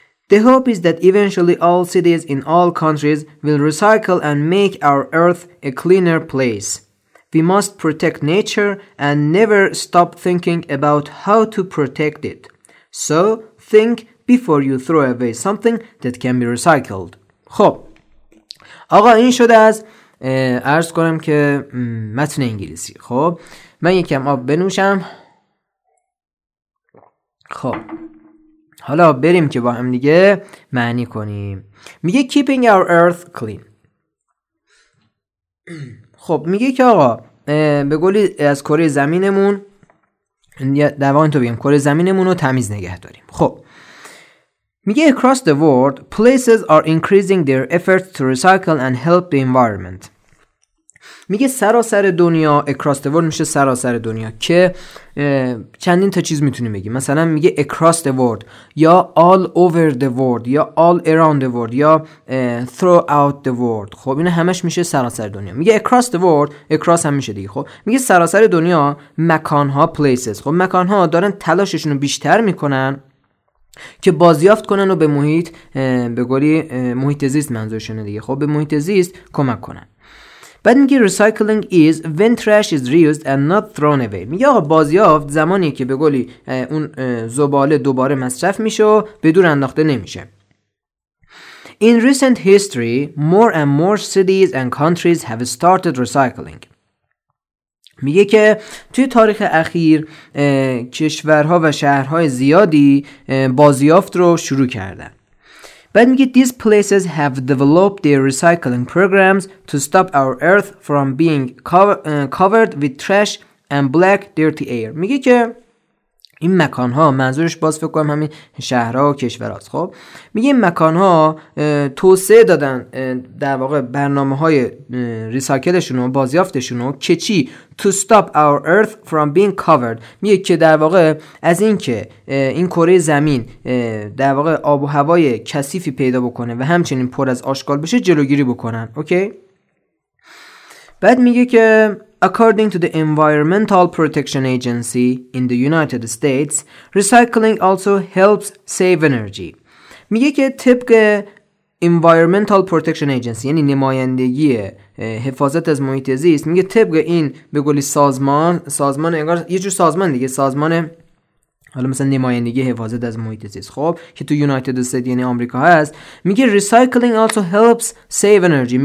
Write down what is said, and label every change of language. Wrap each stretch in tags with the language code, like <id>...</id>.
<en>The hope is that eventually all cities in all countries will recycle and make our earth a cleaner place. We must protect nature and never stop thinking about how to protect it. So, think before you throw away something that can be recycled.</en> <fa>خب آقا این شده از عرض کنم که متن انگلیسی. خب من یکم آب بنوشم. خب حالا بریم که با هم دیگه معنی کنیم. میگه</fa> <en>Keeping Our Earth Clean.</en> <fa>خب میگه که آقا به گلی از کره زمینمون دوان تو بگیم کره زمینمون رو تمیز نگه داریم. خب میگه</fa> <en>Across the world, places are increasing their efforts to recycle and help the environment.</en> <fa>میگه سراسر دنیا،</fa> <en>across the world</en> <fa>میشه سراسر دنیا، که چندین تا چیز میتونیم بگیم. مثلا میگه</fa> <en>across the world</en> <fa>یا</fa> <en>all over the world</en> <fa>یا</fa> <en>all around the world</en> <fa>یا</fa> <en>throughout the world.</en> <fa>خب اینه همش میشه سراسر دنیا. میگه</fa> <en>across the world،</en> <fa>across هم میشه دیگه. خب میگه سراسر دنیا، مکانها، places. خب مکانها دارن تلاششون رو بیشتر میکنن که بازیافت کنن و به محیط، به قولی محیط زیست منظورشونه دیگه، خب به محیط زیست کمک کنن. بعد میگه</fa> <en>recycling is when trash is reused and not thrown away.</en> <fa>میگه آقا بازیافت زمانی که به قولی اون زباله دوباره مصرف میشه و به دور انداخته نمیشه.</fa> <en>In recent history, more and more cities and countries have started recycling.</en> <fa>میگه که توی تاریخ اخیر کشورها و شهرهای زیادی بازیافت رو شروع کردن. بعد میگه</fa> <en>these places have developed their recycling programs to stop our earth from being covered with trash and black dirty air.</en> <fa>میگه که این مکانها، منظورش باز فکر کنم همین شهرها و کشورهاست، خب میگه مکانها توسعه دادن در واقع برنامه های ریسایکلشون و بازیافتشون رو که چی؟</fa> <en>to stop our earth from being covered.</en> <fa>میگه که در واقع از این که این کره زمین در واقع آب و هوای کثیفی پیدا بکنه و همچنین پر از آشغال بشه جلوگیری بکنن. اوکی؟ بعد میگه که</fa> <en>according to the Environmental Protection Agency in the United States, recycling also helps save energy.</en> <fa>میگه که طبق Environmental Protection Agency یعنی نمایندگی حفاظت از محیط زیست، میگه طبق این به قولی سازمان انگار یه جور سازمان دیگه، سازمان حالا مثلا نمایندگی حفاظت از محیط زیست، خب که تو یونایتد استیت یعنی آمریکا هست، میگه</fa> <en>recycling also helps save energy.</en>